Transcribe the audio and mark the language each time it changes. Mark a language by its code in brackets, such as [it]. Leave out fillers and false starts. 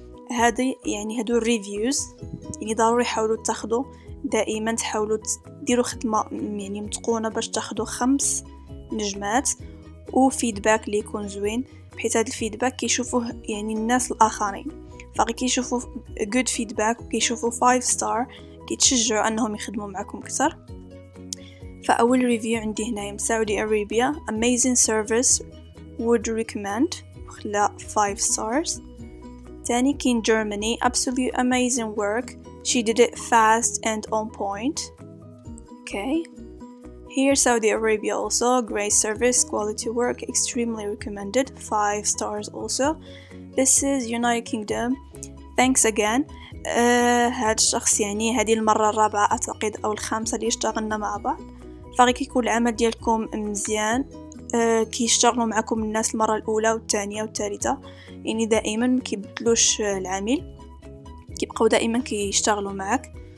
[ar] هادي يعني هادو الريفيوز, يعني ضروري حاولوا تاخدوا دائما, تحاولوا تديروا خدمة يعني متقونة باش تاخدوا 5 نجمات وفيدباك اللي يكون زوين, بحيث هاد الفيدباك كيشوفوه يعني الناس الآخرين, فكيشوفوا [en] good feedback [ar] وكيشوفوا [en] 5 star [ar] كيتشجعوا أنهم يخدموا معكم كثر. فأول ريفيو عندي هنا من [en] Saudi Arabia, amazing service, would recommend, [ar] خلا [en] 5 stars. [ar] تاني كين [en] Germany, absolutely amazing work, she did it fast and on point. Okay, here Saudi Arabia also, great service, quality work, extremely recommended, 5 stars also. This is United Kingdom, thanks again. [ar] هاد الشخص يعني هذه المرة الرابعة أعتقد أو الخامسة اللي اشتغلنا مع بعض, فغيك يكون العمل ديالكم مزيان, كيشتغلوا معكم الناس المرة الأولى والثانية والثالثة, يعني دائما كيبدلوش العامل, كيبقوا دائما كيشتغلوا معك.